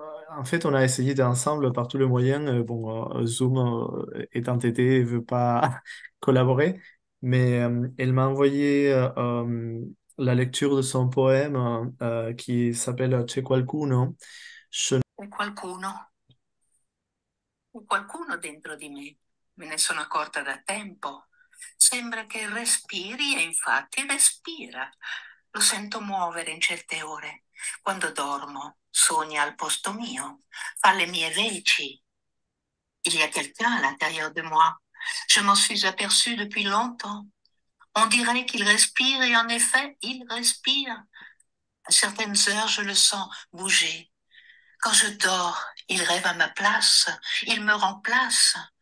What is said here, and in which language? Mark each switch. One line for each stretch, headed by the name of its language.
French: En fait, on a essayé d'ensemble par tous les moyens. Bon, Zoom est entêté et veut pas collaborer, mais elle m'a envoyé la lecture de son poème qui s'appelle C'è qualcuno.
Italian: Qualcuno. Un qualcuno dentro di me. Me ne sono accorta da tempo. Sembra che respiri e infatti respira. Lo sento muovere in certe ore. Quando dormo, sogna al posto mio, fa le mie veci.
French: Il y a quelqu'un à l'intérieur de moi. Je m'en suis aperçue depuis longtemps. On dirait qu'il respire et en effet, il respire. À certaines heures, je le sens bouger. Quand je dors, il rêve à ma place, il me remplace.